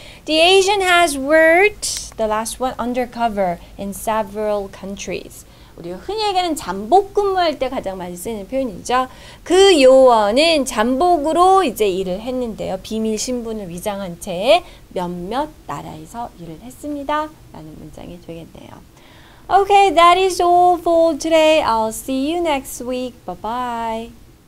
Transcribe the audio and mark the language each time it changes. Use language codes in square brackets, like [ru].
[en] The agent has worked, the last one, undercover in several countries. [ko] 우리가 흔히 얘기하는 잠복 근무할 때 가장 많이 쓰는 표현이죠. 그 요원은 잠복으로 이제 일을 했는데요. 비밀 신분을 위장한 채 몇몇 나라에서 일을 했습니다. 라는 문장이 되겠네요. [en] Okay, that is all for today. I'll see you next week. Bye-bye.